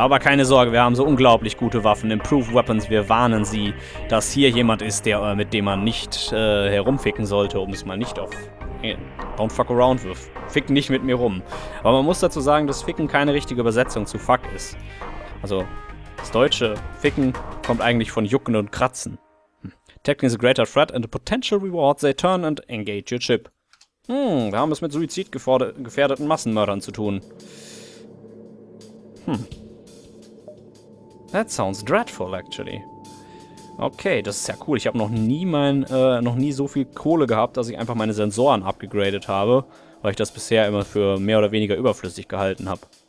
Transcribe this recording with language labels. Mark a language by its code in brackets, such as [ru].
[de] Aber keine Sorge, wir haben so unglaublich gute Waffen. Improved weapons, wir warnen sie, dass hier jemand ist, mit dem man nicht herumficken sollte, um es mal nicht auf... [en] Don't fuck around with. [de] Fick nicht mit mir rum. Aber man muss dazu sagen, dass Ficken keine richtige Übersetzung zu Fuck ist. Also, das deutsche Ficken kommt eigentlich von Jucken und Kratzen. [en] Technically a greater threat and a potential reward, they turn and engage your ship. [de] Wir haben es mit suizidgefährdeten Massenmördern zu tun. [en] That sounds dreadful, actually. [de] Okay, das ist ja cool. Ich habe noch nie so viel Kohle gehabt, dass ich einfach meine Sensoren abgegradet habe, weil ich das bisher immer für mehr oder weniger überflüssig gehalten habe.